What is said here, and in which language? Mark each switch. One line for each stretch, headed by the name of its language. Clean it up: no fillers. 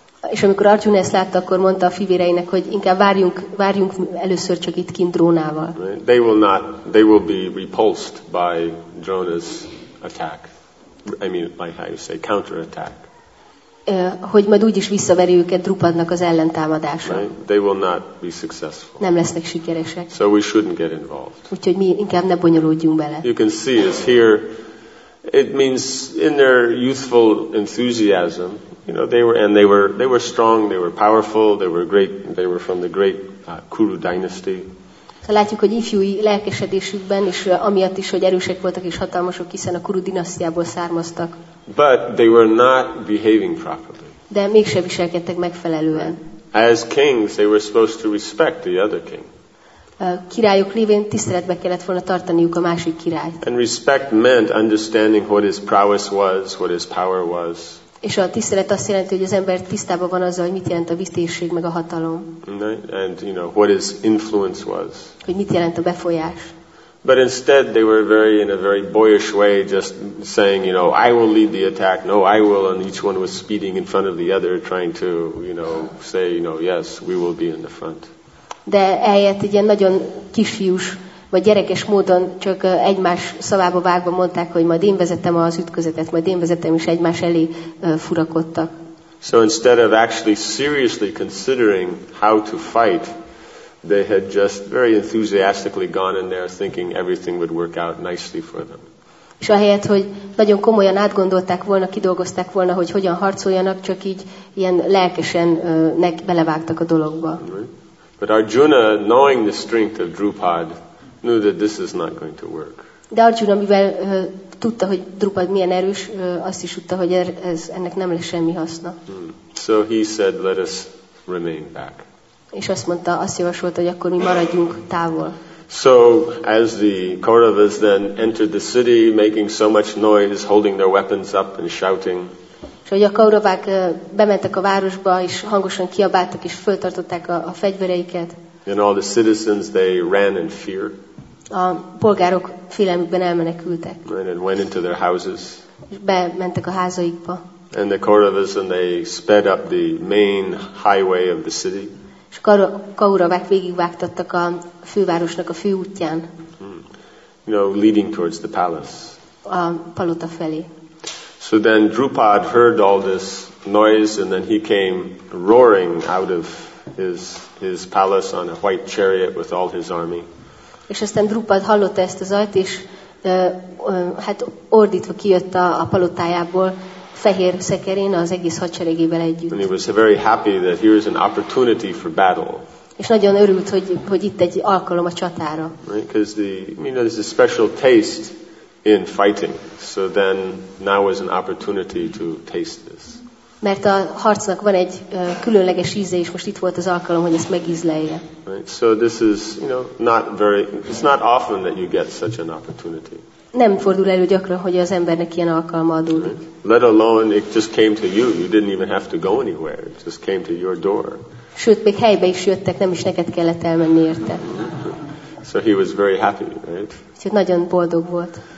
Hungarian: És amikor Arjuna ezt látta, akkor mondta a fivéreinek, hogy inkább várjunk először csak itt kint Drónával.
English: They will be repulsed by Drona's attack. I mean, like how you say, counterattack.
Hungarian: Hogy majd úgyis visszaveri őket Drupadnak az ellentámadása.
English: Right? They will not be successful.
Hungarian: Nem lesznek sikeresek.
English: So we shouldn't get involved.
Hungarian: Úgyhogy mi inkább ne bonyolódjunk bele.
English: You can see is here, it means in their youthful enthusiasm, You know, they were strong, they were powerful, they were great, they were from the great Kuru dynasty.
Hungarian: Látjuk, hogy ifjúi lelkesedésükben és amiatt is, hogy erősek voltak és hatalmasok, hiszen a Kuru dinasztiából származtak.
English: But they were not behaving properly.
Hungarian: De mégse viselkedtek megfelelően.
English: As kings, they were supposed to respect the other king.
Hungarian: A királyok lévén tiszteletbe kellett volna tartaniuk a másik királyt.
English: And respect meant understanding what his prowess was, what his power was.
Hungarian: És a tisztelet azt jelenti, hogy az ember tisztában van azzal, hogy mit jelent a vitézség meg a hatalom.
English: And you know what his influence was.
Hungarian: Hogy mit jelent a befolyás.
English: But instead they were very in a very boyish way just saying, you know, I will lead the attack. No, I will, and each one was speeding in front of the other trying to, you know, say, you know, yes, we will be in the front.
Hungarian: De eljött egy ilyen nagyon kisfiús vagy gyerekes módon csak egymás szavába vágva mondták, hogy majd én vezetem az ütközetet, majd én vezetem, is egymás elé furakodtak.
English: So instead of actually seriously considering how to fight, they had just very enthusiastically gone in there thinking everything would work out nicely for them.
Hungarian: És ahelyett, hogy nagyon komolyan átgondolták volna, kidolgozták volna, hogy hogyan harcoljanak, csak így ilyen lelkesen belevágtak a dologba.
English: But Arjuna, knowing the strength of Drupad, knew that this is not going to work.
Hungarian: De Arjuna, mivel tudta, hogy Drupad milyen erős, azt is tudta, hogy ez ennek nem lesz semmi haszna.
English: So he said, let us remain back.
Hungarian: És azt mondta, azt javasolta, hogy akkor mi maradjunk távol.
English: So as the Kauravas then entered the city, making so much noise, holding their weapons up and shouting.
Hungarian: És ahogy a Kauravák bementek a városba, és hangosan kiabáltak, és föltartották a fegyvereiket.
English: And all the citizens, they ran in fear.
Hungarian: A polgárok félelmükben elmenekültek.
English: And went into their houses.
Hungarian: És bementek a házaikba.
English: And the Kauravas, and they sped up the main highway of the city.
Hungarian: És Kauravák végigvágtattak a fővárosnak a főútján.
English: You know, leading towards the palace.
Hungarian: A palota felé.
English: So then Drupad heard all this noise, and then he came roaring out of his palace on a white chariot with all his army.
Hungarian: És aztán Drupad hallotta ezt a zajt, és hát ordítva kijött a palotájából fehér szekerén az egész hadseregével együtt.
English: And he was very happy that here is an opportunity for battle.
Hungarian: És nagyon örült, hogy itt egy alkalom a csatára.
English: Because the, you know, there's a special taste in fighting. So then now is an opportunity to taste this.
Hungarian: Mert a harcnak van egy különleges íze, és most itt volt az alkalom, hogy ezt megízlelje.
English: Right. So this is, you know, not very, it's not often that you get such an opportunity.
Hungarian: Nem fordul elő gyakran, hogy az embernek ilyen alkalma adódik.
English: Right. Let alone it just came to you. You didn't even have to go anywhere. It just came to your door.
Hungarian: Sőt, még helybe is jöttek, nem is neked kellett elmenni érte.
English: So he was very happy, right?
Hungarian: Úgyhogy nagyon boldog volt.